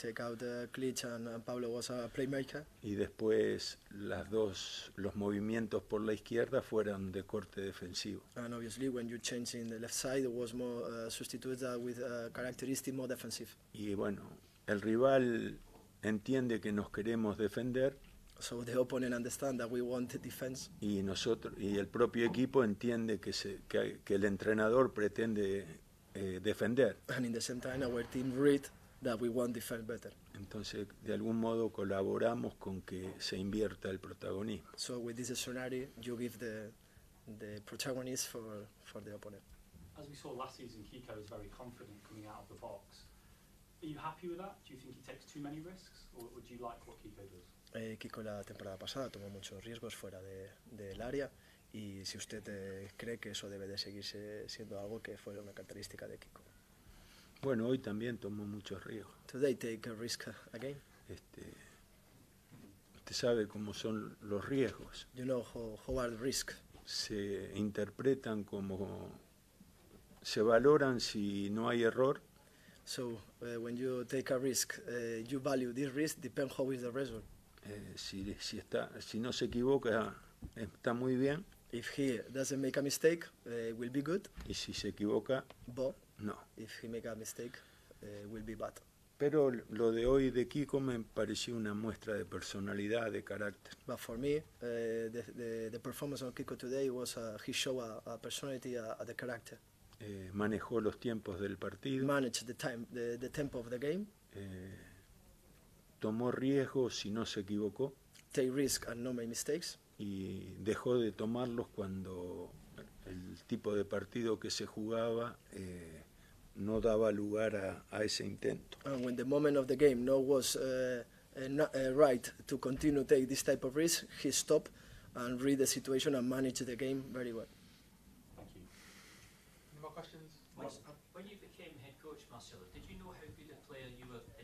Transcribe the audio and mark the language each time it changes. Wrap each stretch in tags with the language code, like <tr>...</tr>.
<en>We take out Klitsch and Pablo was a playmaker.</en> <es>Y después los movimientos por la izquierda fueron de corte defensivo.</es> <en>And obviously when you change in the left side, it was more substituted with a characteristic more defensive.</en> <es>Y bueno, el rival entiende que nos queremos defender.</es> <en>So the opponent understand that we want defense.</en> <es>Y nosotros y el propio equipo entiende que el entrenador pretende defender.</es> <en>And in the same time, our team read that we want defend better.</en> <es>Entonces, de algún modo colaboramos con que se invierta el protagonismo.</es> <en>So with this scenario, you give the protagonist for the opponent. As we saw last season, Kiko is very confident coming out of the box. Are you happy with that? Do you think he takes too many risks, or would you like what Kiko does?</en> <es>Kiko la temporada pasada tomó muchos riesgos fuera del área y si usted cree que eso debe de seguirse siendo algo que fue una característica de Kiko. Bueno, hoy también tomó muchos riesgos.</es> <en>Today take a risk again.</en> <es>Usted sabe cómo son los riesgos.</es> <en>You know how are the risks.</en> <es>Se interpretan como se valoran si no hay error.</es> <en>So when you take a risk, you value this risk depend how is the result.</en> <es>Si no se equivoca está muy bien.</es> <en>If he doesn't make a mistake, will be good.</en> <es>Y si se equivoca,</es> <en>but no. If he make a mistake, will be bad.</en> <es>Pero lo de hoy de Kiko me pareció una muestra de personalidad, de carácter.</es> <en>But for me, the performance of Kiko today was he showed a personality, the character.</en> <es>Manejó los tiempos del partido.</es> <en>Managed the tempo of the game.</en> <es>Tomó riesgos y no se equivocó.</es> <en>Take risk and no make mistakes.</en> <es>Y dejó de tomarlos cuando el tipo de partido que se jugaba no daba lugar a ese intento.</es> <en>And when the moment of the game no was right to continue to take this type of risk, he stopped and read the situation and managed the game very well. Thank you. Any more questions? When you became head coach, Marcelo, did you know how good a player you were?</en>